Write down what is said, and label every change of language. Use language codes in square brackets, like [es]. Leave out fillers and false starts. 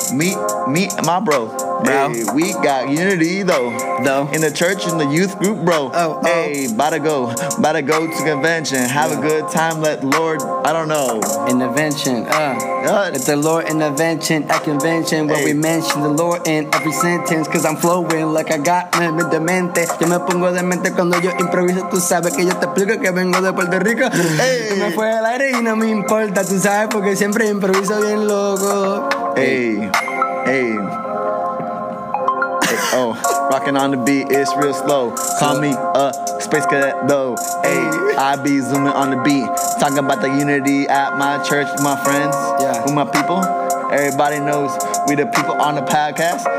[en] Me, my bro. Hey, we got unity though. In the church, in the youth group, bro. Oh, hey, about to go to convention. Have a good time, let the Lord, I don't know. Intervention, let the Lord intervention at convention. Where we mention the Lord in every sentence. Cause I'm flowing like I got me [es] de mente. Yo me pongo de mente cuando yo improviso. Tú sabes que yo te explico que vengo de Puerto Rico. Hey. Me fue el aire y no me importa, tú sabes, porque siempre improviso bien loco. Hey, hey. [en] Oh, rocking on the beat, it's real slow. Call me a space cadet though. Hey, I be zooming on the beat, talking about the unity at my church, my friends, with my people. Everybody knows we the people on the podcast.